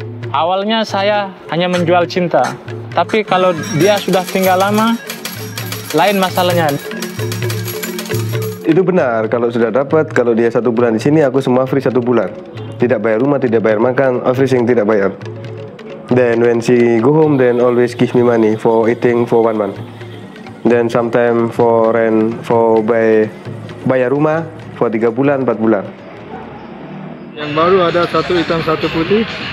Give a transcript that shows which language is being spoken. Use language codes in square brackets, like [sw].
[id] Awalnya saya hanya menjual cinta, tapi kalau dia sudah tinggal lama lain masalahnya. Itu benar, kalau sudah dapat, kalau dia satu bulan di sini aku semua free satu bulan, tidak bayar rumah, tidak bayar makan, everything tidak bayar. [en] Then when she go home, then always give me money for eating for 1 month, then sometime for rent, for [id] bayar rumah [en] for 3 bulan, 4 bulan. [id] Yang baru ada satu hitam, satu putih.